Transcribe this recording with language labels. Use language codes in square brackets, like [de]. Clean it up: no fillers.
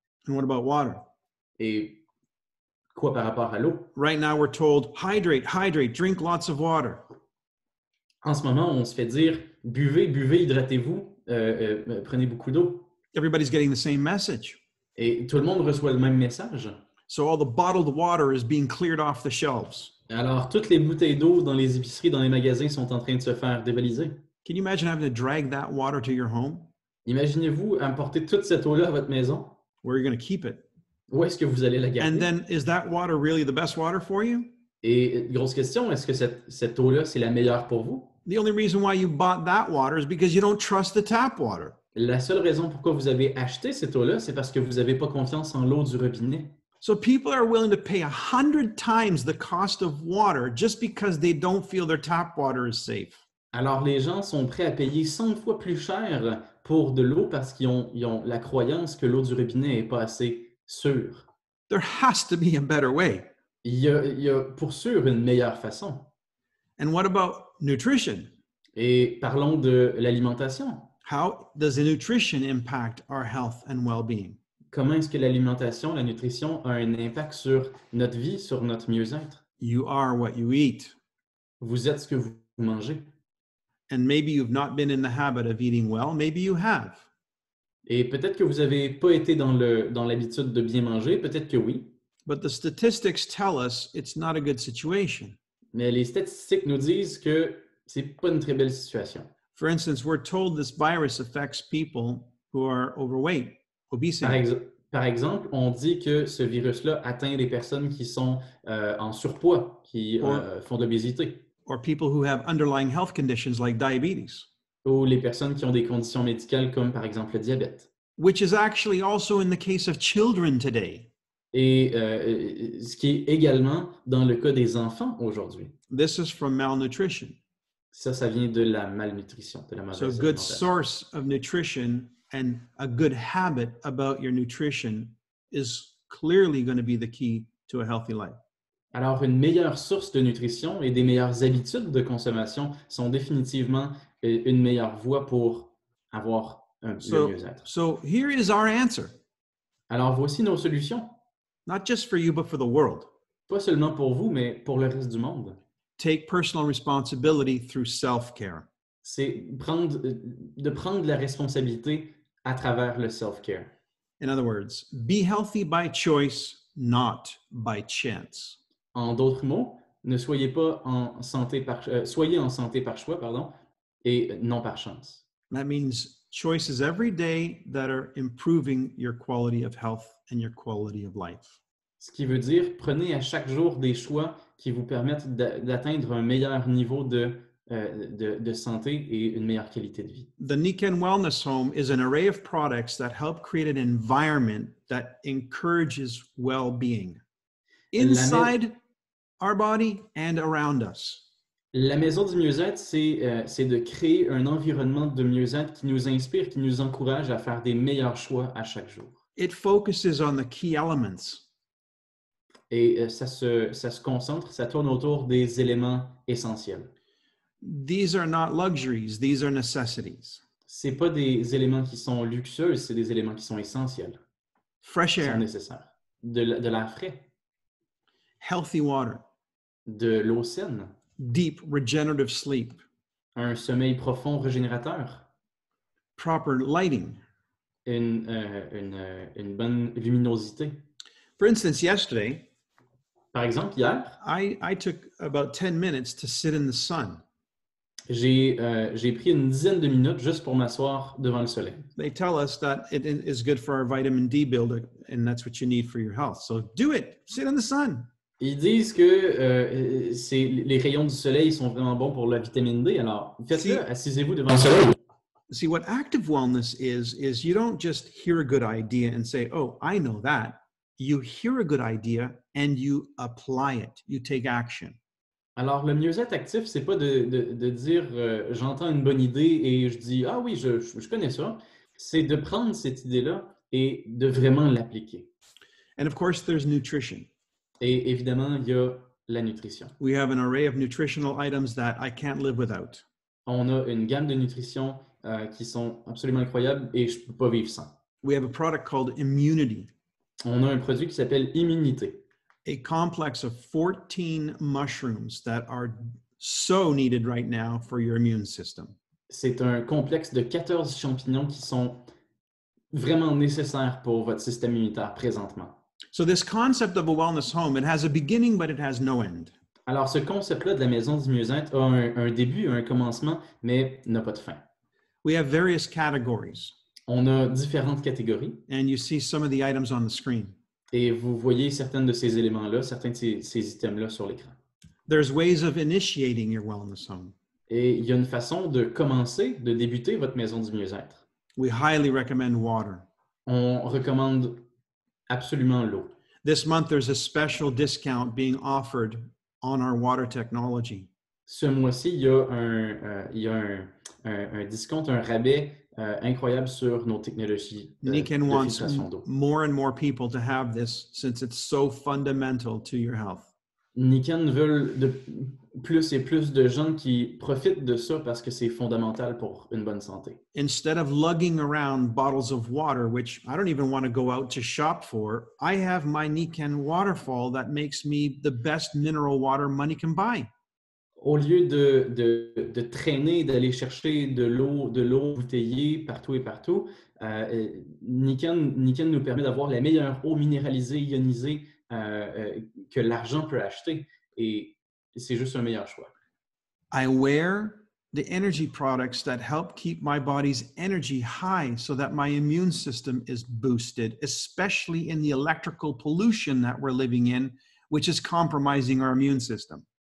[en] And what about water? [fr] Et quoi par rapport à l'eau? [en] Right now, we're told, hydrate, hydrate, drink lots of water. [fr] En ce moment, on se fait dire, buvez, buvez, hydratez-vous, prenez beaucoup d'eau. [en] Everybody's getting the same message. [fr] Et tout le monde reçoit le même message. [en] So all the bottled water is being cleared off the shelves. [fr] Alors, toutes les bouteilles d'eau dans les épiceries, dans les magasins sont en train de se faire dévaliser. [en] Can you imagine having to drag that water to your home? [fr] Imaginez-vous apporter toute cette eau-là à votre maison? [en] Where are you going to keep it? [fr] Où est-ce que vous allez la garder? [en] And then, is that water really the best water for you? [fr] Et grosse question, est-ce que cette eau-là, c'est la meilleure pour vous? [en] The only reason why you bought that water is because you don't trust the tap water. [fr] La seule raison pourquoi vous avez acheté cette eau-là, c'est parce que vous n'avez pas confiance en l'eau du robinet. [en] So people are willing to pay 100 times the cost of water just because they don't feel their tap water is safe. [fr] Alors, les gens sont prêts à payer 100 fois plus cher pour de l'eau parce qu'ils ont la croyance que l'eau du robinet n'est pas assez sûre. [en] There has to be a better way. [fr] Il y a pour sûr une meilleure façon. [en] And what about nutrition? [fr] Et parlons de l'alimentation. [en] How does the nutrition impact our health and well-being? [fr] Comment est-ce que l'alimentation, la nutrition, a un impact sur notre vie, sur notre mieux-être? [en] You are what you eat. [fr] Vous êtes ce que vous mangez. [en] And maybe you've not been in the habit of eating well. Maybe you have. [fr] Et peut-être que vous avez pas été dans l'habitude de bien manger. Peut-être que oui. [en] But the statistics tell us it's not a good situation. [fr] Mais les statistiques nous disent que c'est pas une très belle situation. [en] For instance, we're told this virus affects people who are overweight, obese. [fr] Par exemple, on dit que ce virus-là atteint les personnes qui sont en surpoids, qui font de l'obésité. [en] Or people who have underlying health conditions like diabetes. [fr] Ou les personnes qui ont des conditions médicales comme par exemple le diabète. [en] Which is actually also in the case of children today. [fr] Et ce qui est également dans le cas des enfants aujourd'hui. [en] This is from malnutrition. [fr] Ça vient de la malnutrition, de la mauvaise alimentation. [en] So a good source of nutrition and a good habit about your nutrition is clearly going to be the key to a healthy life. [fr] Alors, une meilleure source de nutrition et des meilleures habitudes de consommation sont définitivement une meilleure voie pour avoir un mieux-être. [en] So here is our answer. [fr] Alors, voici nos solutions. [en] Not just for you, but for the world. [fr] Pas seulement pour vous, mais pour le reste du monde. [en] Take personal responsibility through self-care. [fr] C'est prendre la responsabilité à travers le self-care. [en] In other words, be healthy by choice, not by chance. [fr] En d'autres mots, ne soyez pas en santé par soyez en santé par choix, pardon, et non par chance. [en] That means choices every day that are improving your quality of health and your quality of life. [fr] Ce qui veut dire prenez à chaque jour des choix qui vous permettent d'atteindre un meilleur niveau de santé et une meilleure qualité de vie. [en] The Niken Wellness Home is an array of products that help create an environment that encourages well-being. Inside our body and around us. [fr] La maison du mieux-être, c'est de créer un environnement de mieux-être qui nous inspire, qui nous encourage à faire des meilleurs choix à chaque jour. [en] It focuses on the key elements. [fr] Et ça se concentre, ça tourne autour des éléments essentiels. [en] These are not luxuries, these are necessities. [fr] C'est pas des éléments qui sont luxueux, c'est des éléments qui sont essentiels. [en] Fresh air. [fr] C'est nécessaire. De l'air frais. [en] Healthy water. [fr] De l'eau saine. [en] Deep regenerative sleep. [fr] Un sommeil profond régénérateur. [en] Proper lighting. [fr] Une bonne luminosité. [en] For instance, yesterday, [fr] par exemple, hier, [en] I took about 10 minutes to sit in the sun. [fr] J'ai pris une dizaine de minutes juste pour m'asseoir devant le soleil. [en] They tell us that it is good for our vitamin D builder, and that's what you need for your health. So do it. Sit in the sun. [fr] Ils disent que les rayons du soleil sont vraiment bons pour la vitamine D. Alors, faites-le, assisez-vous devant le soleil. [en] See, what active wellness is you don't just hear a good idea and say, oh, I know that. You hear a good idea and you apply it. You take action. [fr] Alors, le mieux-être actif, c'est pas de dire j'entends une bonne idée et je dis ah oui, je connais ça. C'est de prendre cette idée-là et de vraiment l'appliquer. [en] And of course, there's nutrition. [fr] Et évidemment, il y a la nutrition. [en] We have an array of nutritional items that I can't live without. [fr] On a une gamme de nutrition qui sont absolument incroyables et je peux pas vivre sans. [en] We have a product called immunity. [fr] On a un produit qui s'appelle immunité. [en] A complex of 14 mushrooms that are so needed right now for your immune system. [fr] C'est un complexe de 14 champignons qui sont vraiment nécessaires pour votre système immunitaire présentement. [en] So this concept of a wellness home, it has a beginning but it has no end. [fr] Alors ce concept-là de la maison du mieux-être a un début, un commencement, mais n'a pas de fin. [en] We have various categories. [fr] On a différentes catégories. [en] And you see some of the items on the screen. [fr] Et vous voyez certains de ces éléments-là, certains de ces items-là sur l'écran. [en] There's ways of initiating your wellness home. [fr] Et il y a une façon de commencer, de débuter votre maison du mieux-être. [en] We highly recommend water. [fr] On recommande absolument l'eau. [en] This month, there's a special discount being offered on our water technology. [fr] Ce mois-ci, il y a un discount, un rabais incroyable sur nos technologies de filtration d'eau. [en] Nikan wants more and more people to have this since it's so fundamental to your health. [fr] Nikan veut de plus et plus de gens qui profitent de ça parce que c'est fondamental pour une bonne santé. [en] Instead of lugging around bottles of water, which I don't even want to go out to shop for, I have my Nikan waterfall that makes me the best mineral water money can buy. [fr] Au lieu de traîner, d'aller chercher de l'eau bouteillée partout et partout, Nikan nous permet d'avoir la meilleure eau minéralisée, ionisée que l'argent peut acheter. Et c'est juste un meilleur choix. [en] I wear the energy products that help keep my body's energy high so that my immune system is boosted, especially in the electrical pollution that we're living in, which is compromising our immune system.